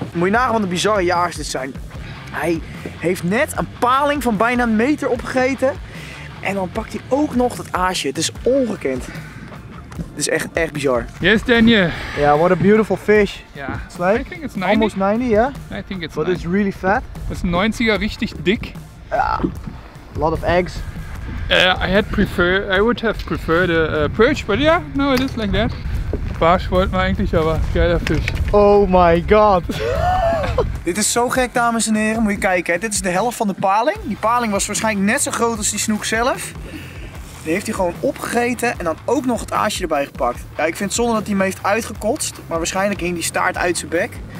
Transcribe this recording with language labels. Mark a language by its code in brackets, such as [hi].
[nl] Moet je nagaan wat een bizarre jaars dit zijn. Hij heeft net een paling van bijna een meter opgegeten. En dan pakt hij ook nog dat aasje. Het is ongekend. Het is echt, echt bizar. [en] Yes, Daniel. Yeah, what a beautiful fish. Yeah. It's like I think it's 90. Almost 90, yeah? I think it's but But it's really fat. It's 90er, richtig dik. Yeah. A lot of eggs. I would have preferred a perch, but yeah, no, it is like that. [nl] Baars wordt me eigenlijk wel geile vis. Oh my god. Dit is zo gek, dames en heren. Moet je kijken. Hè. Dit is de helft van de paling. Die paling was waarschijnlijk net zo groot als die snoek zelf. Die heeft hij gewoon opgegeten en dan ook nog het aasje erbij gepakt. Ja, ik vind het zonde dat hij hem heeft uitgekotst. Maar waarschijnlijk hing die staart uit zijn bek.